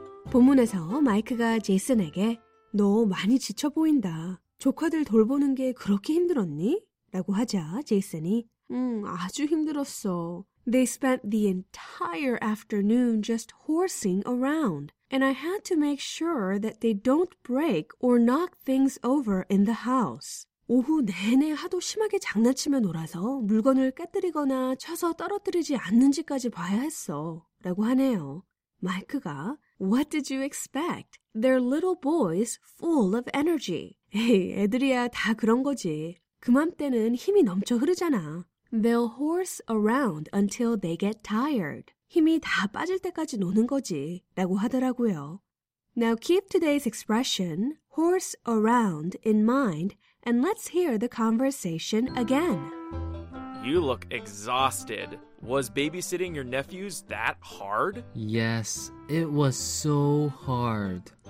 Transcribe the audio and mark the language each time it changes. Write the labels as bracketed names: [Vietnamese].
[Korean] 본문에서 마이크가 제이슨에게 너 많이 지쳐 보인다. 조카들 돌보는 게 그렇게 힘들었니? 라고 하자 제이슨이 아주 힘들었어. [English] They spent the entire afternoon just horsing around. And I had to make sure that they don't break or knock things over in the house. [Korean] 오후 내내 하도 심하게 장난치며 놀아서 물건을 깨뜨리거나 쳐서 떨어뜨리지 않는지까지 봐야 했어. 라고 하네요. 마이크가 [English] What did you expect? They're little boys full of energy. [Korean] 에이, 애들이야 다 그런 거지. 그맘때는 힘이 넘쳐 흐르잖아. [English] They'll horse around until they get tired. [Korean] 힘이 다 빠질 때까지 노는 거지 라고 하더라고요. [English] Now keep today's expression horse around in mind and let's hear the conversation again. You look exhausted. Was babysitting your nephews that hard? Yes, it was so hard.